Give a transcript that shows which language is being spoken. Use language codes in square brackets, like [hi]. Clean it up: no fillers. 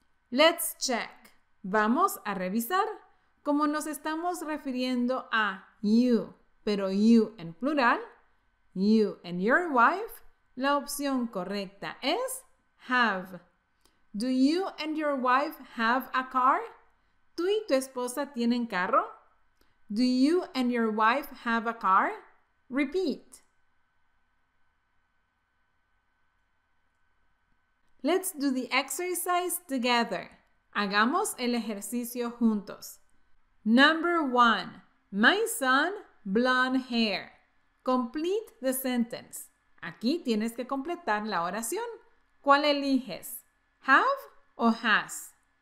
[en] Let's check. [es] Vamos a revisar. Como nos estamos refiriendo a you, pero you en plural, [en] you and your wife, [es] la opción correcta es have. [en] Do you and your wife have a car? [es] ¿Tú y tu esposa tienen carro? [en] Do you and your wife have a car? Repeat. Let's do the exercise together. [es] Hagamos el ejercicio juntos. [en] Number one. My son, blonde hair. Complete the sentence. [es] Aquí tienes que completar la oración. ¿Cuál eliges? Have o has?